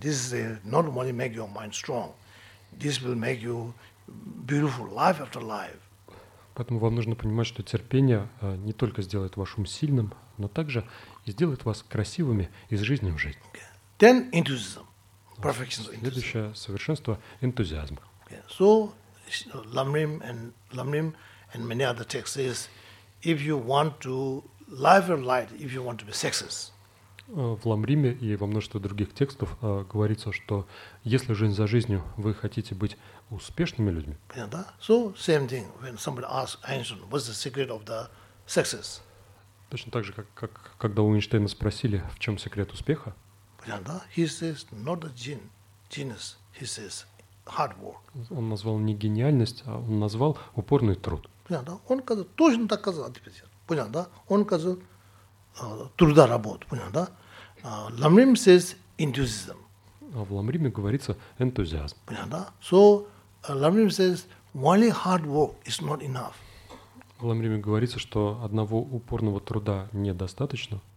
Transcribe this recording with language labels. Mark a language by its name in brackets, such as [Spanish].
[English] This is not only make your mind strong. This will make you beautiful life after life. [Russian] Поэтому вам нужно понимать, что терпение не только сделает ваш ум сильным, но также и сделает вас красивыми из жизни в жизнь. [English] Okay. Then enthusiasm. Perfection of enthusiasm. [Russian] Следующее совершенство – энтузиазм. [English] Okay. So, Lamrim and many other texts says, if you want to live your life, if you want to be success. [Russian] В Ламриме и во множестве других текстов говорится, что если жизнь за жизнью, вы хотите быть успешными людьми. Понятно, да? [English] So, same thing. When somebody asks Einstein, what's the secret of the success? [Russian] Точно так же, как когда у Эйнштейна спросили, в чем секрет успеха. [English] He says not a genius. He says hard work. [Russian] Он назвал не гениальность, а он назвал упорный труд. Понял, да? Он сказал, точно так сказал. Понял, да? Он сказал труда работу. Понял, да? [English] Ламрим says enthusiasm. [Russian] А в Ламриме говорится энтузиазм. Понял, да? [English] So Ламрим says only hard work is not enough. [Russian] В Ламриме говорится, что одного упорного труда недостаточно.